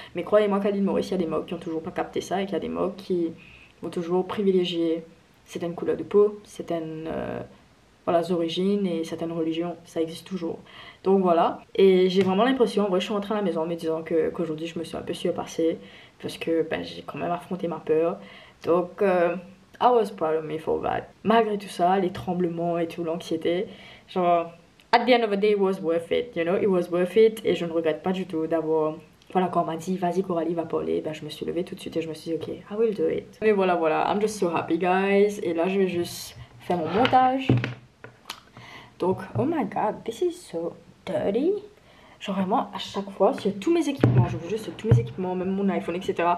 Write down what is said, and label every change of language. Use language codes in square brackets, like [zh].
[fr] Mais croyez-moi qu'Aline Maurice, il y a des mocs qui n'ont toujours pas capté ça et qu'il y a des mocs qui vont toujours privilégier certaines couleurs de peau, certaines voilà, origines et certaines religions, ça existe toujours. Donc voilà, et j'ai vraiment l'impression, en vrai je suis rentrée à la maison en me disant qu'aujourd'hui je me suis un peu surpassée parce que ben, j'ai quand même affronté ma peur. [en] Donc I was proud of me for that. [fr] Malgré tout ça, les tremblements et tout, l'anxiété, genre [en] at the end of the day it was worth it, you know, it was worth it. [fr] Et je ne regrette pas du tout d'avoir, voilà, quand on m'a dit vas-y Coralie va parler, ben, je me suis levée tout de suite et je me suis dit ok, [en] I will do it. [fr] Mais voilà, voilà, [en] I'm just so happy guys. [fr] Et là je vais juste faire mon montage. Donc, [en] oh my god, this is so dirty. [fr] Genre vraiment, à chaque fois, c'est tous mes équipements, je vous jure, c'est tous mes équipements, même mon iPhone, etc.